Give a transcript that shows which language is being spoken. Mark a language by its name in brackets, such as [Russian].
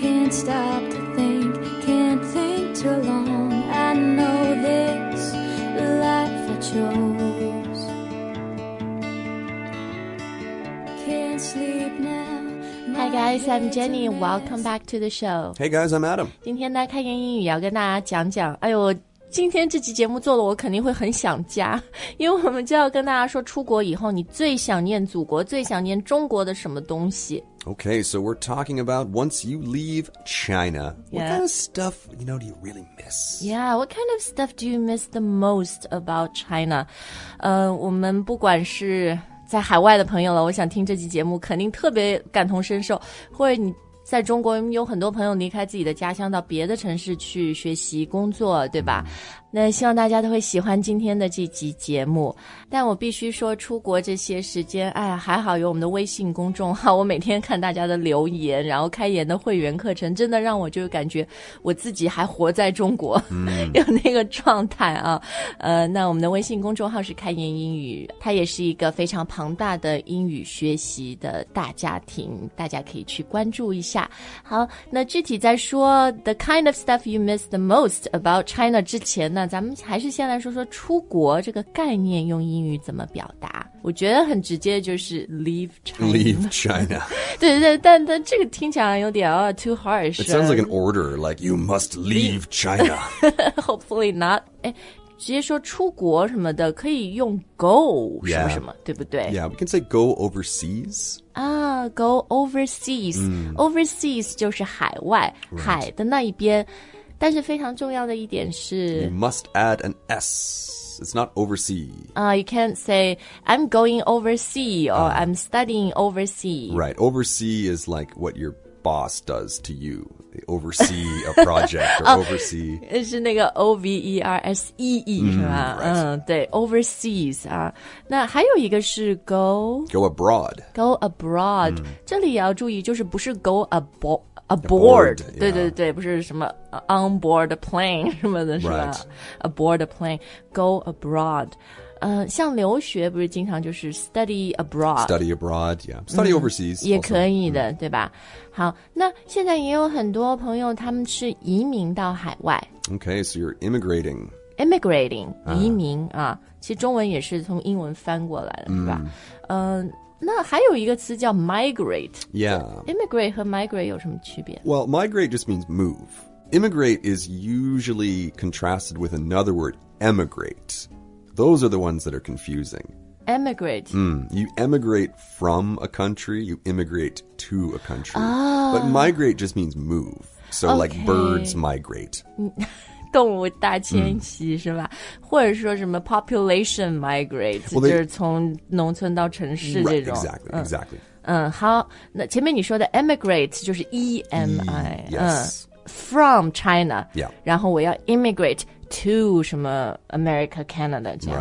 [English] stop to think, can't think too long. I know this life I chose. Can't sleep now. Hi guys, I'm Jenny. Welcome back to the show. Hey guys, I'm Adam. [Chinese] 今天呢，开言英语要跟大家讲讲，哎呦，今天这期节目做了我肯定会很想家，因为我们就要跟大家说出国以后你最想念祖国，最想念中国的什么东西。 [English] Okay, so we're talking about once you leave China, what kind of stuff, you know, do you really miss? Yeah, what kind of stuff do you miss the most about China? [Chinese] 我们不管是在海外的朋友了，我想听这期节目肯定特别感同身受，或者你在中国有很多朋友离开自己的家乡到别的城市去学习工作，对吧？那希望大家都会喜欢今天的这集节目。但我必须说出国这些时间，哎，还好有我们的微信公众号，我每天看大家的留言，然后开言的会员课程，真的让我就感觉我自己还活在中国，有那个状态啊。那我们的微信公众号是开言英语，它也是一个非常庞大的英语学习的大家庭，大家可以去关注一下。好，那具体在说 [English] the kind of stuff you miss the most about China [Chinese] 之前，那咱们还是先来说说出国这个概念用英语怎么表达。我觉得很直接就是 leave China。 [English] Leave China. [Chinese] 对对对，但这个听起来有点 [English] too harsh. It sounds like an order, like you must leave China. Hopefully not. [Chinese] 直接说出国什么的可以用 go 什么什么、 [English] yeah. [Chinese] 对不对 [English] ?Yeah, we can say go overseas. Go overseas.、Overseas [Chinese] 就是海外、 [English] right. [Chinese] 海的那一边。但是非常重要的一点是 [English] You must add an S. It's not overseas. You can't say, I'm going overseas or I'm studying overseas. Right. Overseas is like what your boss does to you. They oversee a project or oversee. [Chinese] 是那个 O-V-E-R-S-E-E, 是吧、对 overseas.、那还有一个是 go. [English] Go abroad. Go abroad.、 [Chinese] 这里也要注意就是不是 go aboard, [English] yeah. [Chinese] 对对对，不是什么 on board a plane 什么的是吧、 [English] aboard a plane, go abroad. [Chinese] 像留学不是经常就是 [English] study abroad. Study abroad, yeah. Study overseas. [Chinese] 也可以的、对吧。好，那现在也有很多朋友他们是移民到海外。 [English] Okay, so you're immigrating. [Chinese] Immigrating,、移民啊。其实中文也是从英文翻过来的、是吧。那还有一个词叫 migrate. [English] Yeah. [Chinese] Immigrate 和 migrate 有什么区别？ [English] Well, migrate just means move. Immigrate is usually contrasted with another word, emigrate. Those are the ones that are confusing. Emigrate. You emigrate from a country, you immigrate to a country.、 Oh. But migrate just means move. So、 okay. like birds migrate. [Chinese] 动物大迁徙、是吧？或者说什么 population migrate, [English] well, they, [Chinese] 就是从农村到城市这种。 [English] Right, exactly, exactly. [Chinese] 好，那前面你说的 emigrate 就是 E-M-I, from China,、 [English] yeah. [Chinese] 然后我要 immigrate to 什么 America, Canada, 这样。